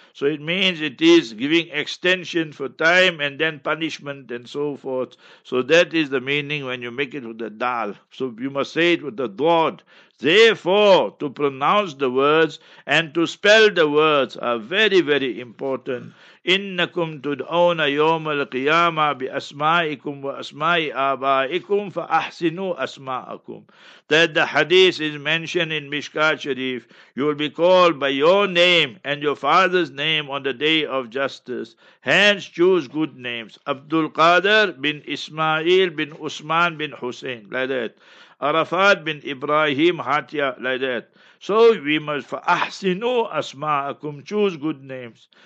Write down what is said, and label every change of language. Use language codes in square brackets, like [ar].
[en] So it means it is giving extension for time and then punishment and so forth. So that is the meaning when you make it with the dal. So you must say it with the dod. Therefore, to pronounce the words and to spell the words are very, very important. [ar] إنكم تدعون يوم القيامة بأسمائكم وأسمائي آبائكم فأحسنوا أسماءكم. [en] That the hadith is mentioned in Mishkat Sharif. You will be called by your name and your father's name on the day of justice. Hence choose good names. Abdul Qadir bin Ismail bin Usman bin Hussein, like that. Arafat bin Ibrahim Hatia, like that. So we must, for [ar] ahsinu asma'akum, [en] choose good names.